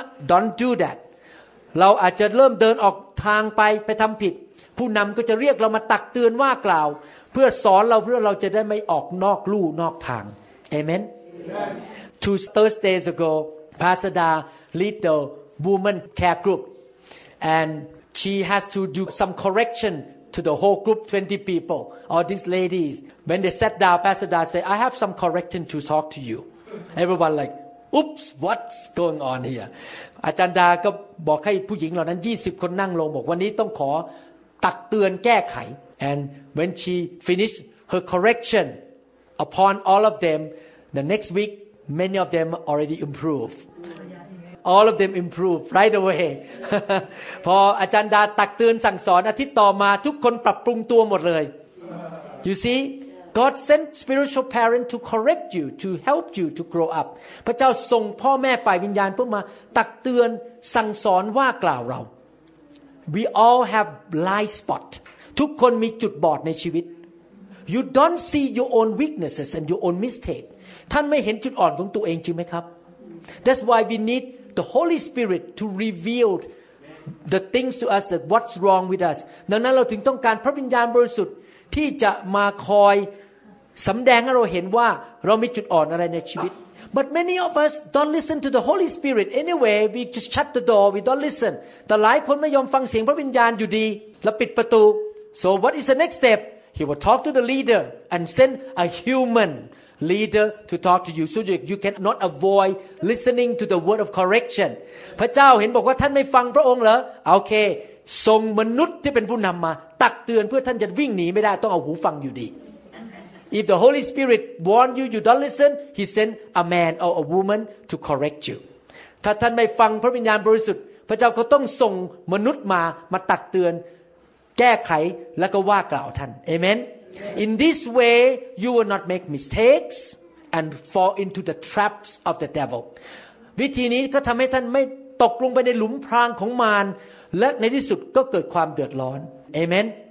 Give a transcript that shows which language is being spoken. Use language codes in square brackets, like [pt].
[en] don't do that [th] เราอาจจะเริ่มเดินออกทางไปทำผิดผู้นำก็จะเรียกเรามาตักเตือนว่ากล่าวเพื่อสอนเราเพื่อเราจะได้ไม่ออกนอกลู่นอกทางเอเมน [en] Two Thursdays ago, Pastor Da lead the woman care group. And she has to do some correction to the whole group, 20 people, all these ladies. When they sat down, Pastor Da said, I have some correction to talk to you. Everyone like, oops, what's going on here? [th] อาจารย์ดาก็บอกให้ผู้หญิงเหล่านั้น20คนนั่งลงบอกวันนี้ต้องขอตักเตือนแก้ไข [en] And when she finished her correction upon all of them, the next week, many of them already improved. All of them improved right away. [th] พออาจารย์ดาตักเตือนสั่งสอนอาทิตย์ต่อมาทุกคนปรับปรุงตัวหมดเลย [en] You see? God sent spiritual parent to correct you, to help you to grow up. [th] พระเจ้าส่งพ่อแม่ฝ่ายวิญญาณเพื่อมาตักเตือนสั่งสอนว่ากล่าวเรา [en] We all have blind spot. [th] ทุกคนมีจุดบอดในชีวิต [en] You don't see your own weaknesses and your own mistake. [th] ท่านไม่เห็นจุดอ่อนของตัวเองจริงไหมครับ [en] That's why we need the Holy Spirit to reveal the things to us that what's wrong with us. [th] ดังนั้นเราถึงต้องการพระวิญญาณบริสุทธิ์ที่จะมาคอยสำแดงให้เราเห็นว่าเรามีจุดอ่อนอะไรในชีวิต [en] But many of us don't listen to the Holy Spirit anyway. We just shut the door. We don't listen. [th] แต่หลายคนไม่ยอมฟังเสียงพระวิญญาณอยู่ดีและปิดประตู [en] So what is the next step? He will talk to the leader and send a human leader to talk to you so you cannot avoid listening to the word of correction. [th] พระเจ้าเห็นบอกว่าท่านไม่ฟังพระองค์เหรอโอเคส่งมนุษย์ที่เป็นผู้นำมาตักเตือนเพื่อท่านจะวิ่งหนีไม่ได้ต้องเอาหูฟังอยู่ดี [en] If the Holy Spirit warn you you don't listen He sent a man or a woman to correct you [th] ถ้าท่านไม่ฟังพระวิญญาณบริสุทธิ์พระเจ้าก็ต้องส่งมนุษย์มาตักเตือนแก้ไขแล้วก็ว่ากล่าวท่าน [en] Amen In this way you will not make mistakes and fall into the traps of the devil [th] วิธีนี้ก็ทำให้ท่านไม่ตกลงไปในหลุมพรางของมารและในที่สุดก็เกิดความเดือดร้อนเอเมน